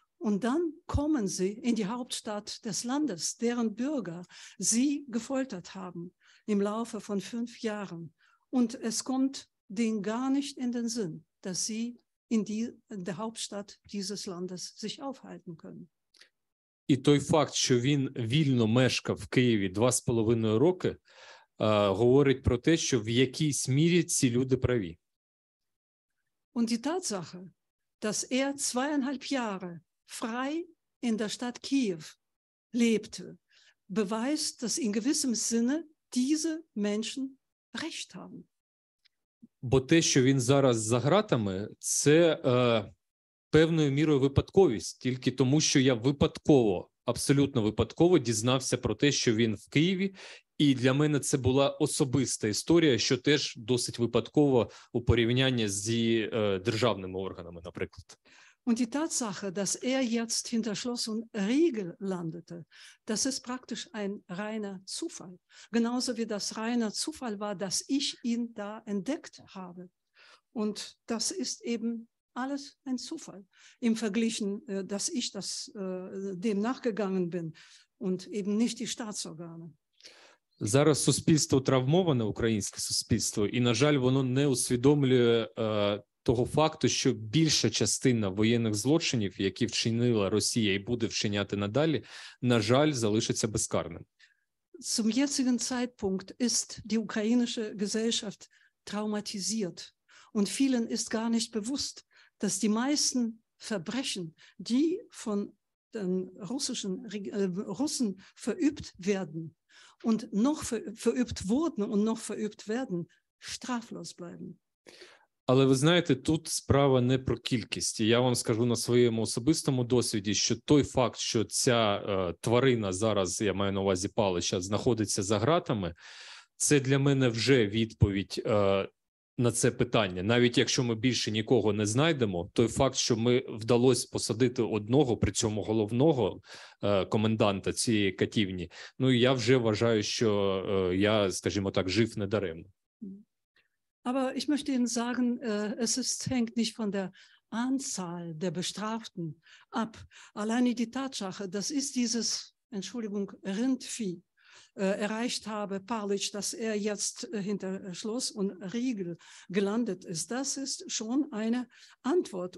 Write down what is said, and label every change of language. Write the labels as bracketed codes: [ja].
[de] Und dann kommen Sie in die Hauptstadt des Landes, deren Bürger Sie gefoltert haben im Laufe von 5 Jahren. Und es kommt denen gar nicht in den Sinn, dass sie in der Hauptstadt dieses Landes sich aufhalten können. [uk] І той факт, що він вільно мешкав в Києві 2,5 роки, говорить про те, що в якійсь мірі ці люди праві. [de] Und die Tatsache, dass zweieinhalb Jahre frei in der Stadt Kiew lebte, beweist, dass in gewissem Sinne diese Menschen recht haben. [uk] Бо те, що він зараз за ґратами, це певною мірою випадковість, тільки тому, що я випадково, абсолютно випадково дізнався про те, що він в Києві, і для мене це була особиста історія, що теж досить випадково у порівнянні з державними органами, наприклад. [de] Und die Tatsache, dass jetzt hinter Schloss und Riegel landete, das ist praktisch ein reiner Zufall. Genauso wie das reiner Zufall war, dass ich ihn da entdeckt habe. Und das ist eben alles ein Zufall im Vergleich, dass ich das dem nachgegangen bin und eben nicht die Staatsorgane. [uk] Зараз суспільство травмоване, українське суспільство, і, на жаль, воно не усвідомлює того факту, що більша частина воєнних злочинів, які вчинила Росія і буде вчиняти надалі, на жаль, залишиться безкарним. [de] Zum jetzigen Zeitpunkt ist die ukrainische Gesellschaft traumatisiert und vielen ist gar nicht bewusst, dass die meisten Verbrechen, die von den russischen Russen verübt werden und noch verübt wurden und noch verübt werden, straflos bleiben. [uk] Але ви знаєте, тут справа не про кількість. Я вам скажу на своєму особистому досвіді, що той факт, що ця тварина зараз, я маю на увазі Палича, знаходиться за ґратами, це для мене вже відповідь на це питання. Навіть якщо ми більше нікого не знайдемо, той факт, що ми вдалося посадити одного, при цьому головного коменданта цієї катівні, ну я вже вважаю, що я, скажімо так, жив недаремно. [de] Aber ich möchte Ihnen sagen, hängt nicht von der Anzahl der Bestraften ab. Alleine die Tatsache, dass ich dieses, Entschuldigung, Rindvieh erreicht habe, Palić, dass jetzt hinter Schloss und Riegel gelandet ist, das ist schon eine Antwort.